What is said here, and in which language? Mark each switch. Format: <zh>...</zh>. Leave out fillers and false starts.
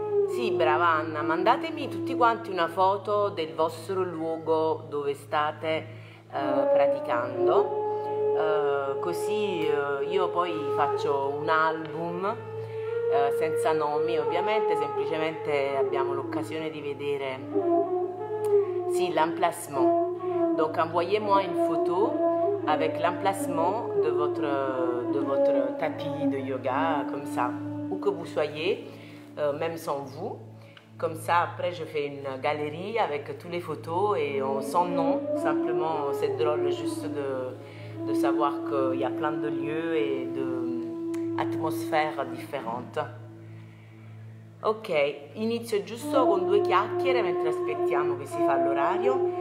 <it>Sì, brava Anna, mandatemi tutti quanti una foto del vostro luogo dove state praticando, così io poi faccio un album senza nomi, ovviamente, semplicemente abbiamo l'occasione di vedere, sì, l'emplacement.</it> <fr>Donc envoyez-moi une photo avec l'emplacement de votre tapis de yoga, comme ça, où que vous soyez, même sans vous. Comme ça, après, je fais une galerie avec toutes les photos et sans nom, simplement, c'est drôle juste de savoir qu'il y a plein de lieux et d'atmosphères différentes.</fr> <it>Ok, inizio giusto con due chiacchiere mentre aspettiamo che si fa l'orario.</it>